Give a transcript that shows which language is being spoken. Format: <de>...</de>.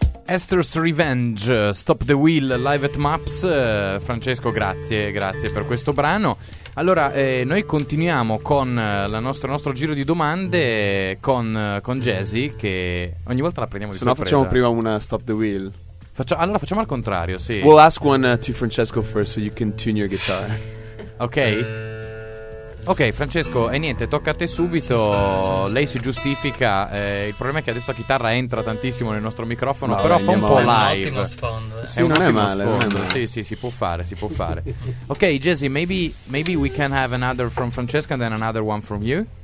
<en>Esther's Revenge, Stop the Wheel, live at MAPS.</en> <it>Francesco, grazie per questo brano. Allora, noi continuiamo con il nostro giro di domande con Jesse, che ogni volta la prendiamo di sorpresa. Se no facciamo prima una Stop the Wheel. Allora facciamo al contrario, sì.</it> <en>We'll ask one to Francesco first so you can tune your guitar.</en> <it>Ok. Ok, Francesco, e niente, tocca a te subito. Lei si giustifica. Il problema è che adesso la chitarra entra tantissimo nel nostro microfono, no, però fa un po' live. È un ottimo sfondo. Sì, non è male. Sì, si può fare.</it> <en>Ok, Jesse, maybe we can have another from Francesco and then another one from you.</en>